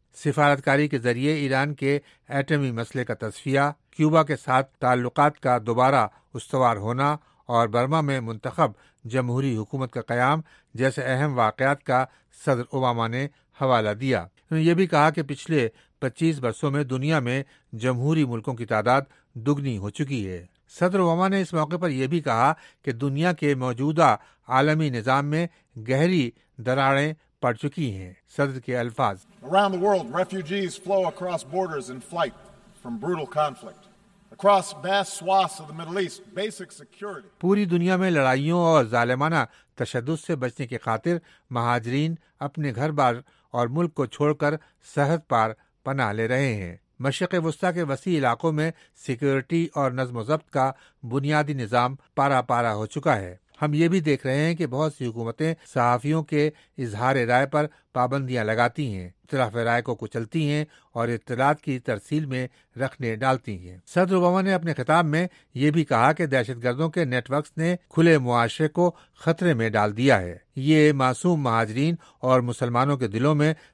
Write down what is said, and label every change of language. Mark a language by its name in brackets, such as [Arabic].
[Urdu] سفارتکاری کے ذریعے ایران کے ایٹمی مسئلے کا تصفیہ، کیوبا کے ساتھ تعلقات کا دوبارہ استوار ہونا اور برما میں منتخب جمہوری حکومت کا قیام جیسے اہم واقعات کا صدر اوباما نے حوالہ دیا۔ انہوں نے یہ بھی کہا کہ پچھلے 25 برسوں میں دنیا میں جمہوری ملکوں کی تعداد دگنی ہو چکی ہے۔ صدر اوباما نے اس موقع پر یہ بھی کہا کہ دنیا کے موجودہ عالمی نظام میں گہری دراڑیں پڑ چکی ہیں۔ صدر کے الفاظ: [English] Around the world, refugees flow across borders in flight from brutal conflict. Across vast swaths of the Middle East, basic security. [Urdu] پوری دنیا میں لڑائیوں اور ظالمانہ تشدد سے بچنے کی خاطر مہاجرین اپنے گھر بار اور ملک کو چھوڑ کر سرحد پار پناہ لے رہے ہیں۔ مشرق وسطی کے وسیع علاقوں میں سیکیورٹی اور نظم و ضبط کا بنیادی نظام پارا پارا ہو چکا ہے۔ ہم یہ بھی دیکھ رہے ہیں کہ بہت سی حکومتیں صحافیوں کے اظہار رائے پر پابندیاں لگاتی ہیں، اختلاف رائے کو کچلتی ہیں اور اطلاعات کی ترسیل میں رکھنے ڈالتی ہیں۔ صدر اوباما نے اپنے خطاب میں یہ بھی کہا کہ دہشت گردوں کے نیٹ ورکس نے کھلے معاشرے کو خطرے میں ڈال دیا ہے، یہ معصوم مہاجرین اور مسلمانوں کے دلوں میں